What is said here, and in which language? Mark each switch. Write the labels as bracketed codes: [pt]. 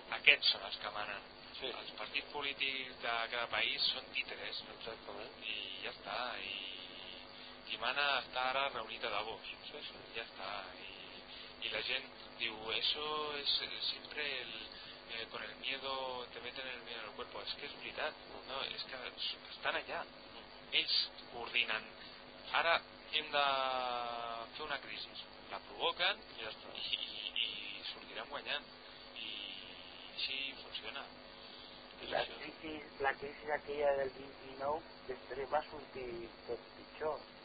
[ca] Aquests són els que manen. Els partits polítics de cada país són títeres. Exactament. I ja està. I qui mana està ara reunit a Davos. Sí, sí. Ja està. [es] I la gent diu, eso es siempre el... con el miedo, te meten el miedo en el cuerpo. [ca] És que és veritat, no? És que estan allà, ells coordinen. Ara hem de fer una crisi, la provoquen i, ja està. I sortiran guanyant, i així funciona. La crisi aquella del 29 després va sortir tot pitjor,